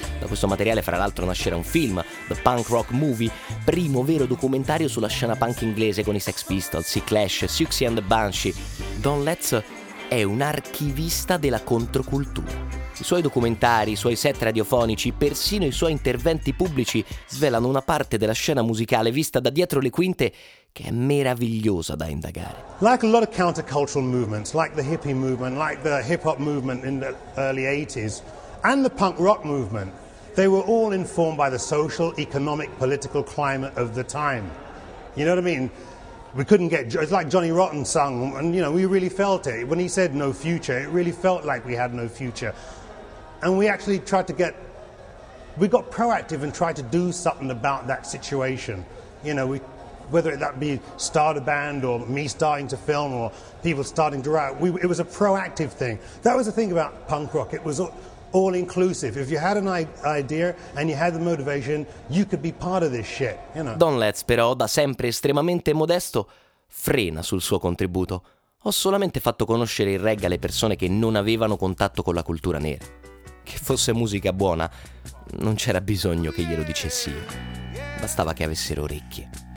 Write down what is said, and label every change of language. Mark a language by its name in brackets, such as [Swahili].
[Italian] Da questo materiale, fra l'altro, nascerà un film, The Punk Rock Movie, primo vero documentario sulla scena punk inglese, con i Sex Pistols, i Clash, Siouxsie and the Banshee. Don Letts è un archivista della controcultura. I suoi documentari, i suoi set radiofonici, persino i suoi interventi pubblici svelano una parte della scena musicale vista da dietro le quinte che è meravigliosa da indagare. [English] Like a lot of countercultural movements, like the hippie movement, like the hip hop movement in the early 80s and the punk rock movement, they were all informed by the social, economic, political climate of the time. You know what I mean? We couldn't get, it's like Johnny Rotten sung, and you know, we really felt it. When he said no future, it really felt like we had no future. And we actually tried to get, we got proactive and tried to do something about that situation. You know, whether that be start a band or me starting to film or people starting to write, it was a proactive thing. That was the thing about punk rock, it was all inclusive. If you had an idea and you had the motivation, you could be part of this shit, you know. [Italian] Don Letts, però, da sempre estremamente modesto, frena sul suo contributo. Ho solamente fatto conoscere il reggae alle persone che non avevano contatto con la cultura nera. Che fosse musica buona, non c'era bisogno che glielo dicessi io. Bastava che avessero orecchie.